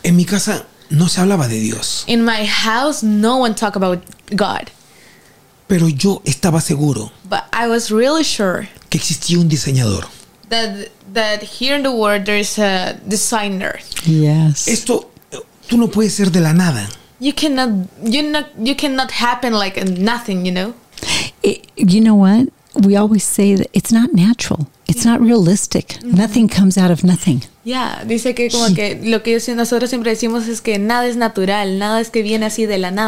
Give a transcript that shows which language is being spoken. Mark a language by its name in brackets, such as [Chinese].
[Spanish] En mi casa no se hablaba de Dios. [English] In my house, no one talked about God. [Spanish] Pero yo estaba seguro. [English] But I was really sure. [Spanish] Que existía un diseñador. [English] That here in the world there is a designer. Yes. [Spanish] Esto, tú no puedes ser de la nada. [English] You cannot happen like nothing, you know? You know what? We always say that it's not natural. It's not realistic. Mm-hmm. Nothing comes out of nothing. [Spanish] Yeah, dice que como que lo que nosotros siempre decimos es que nada es natural, nada es que viene así de la nada.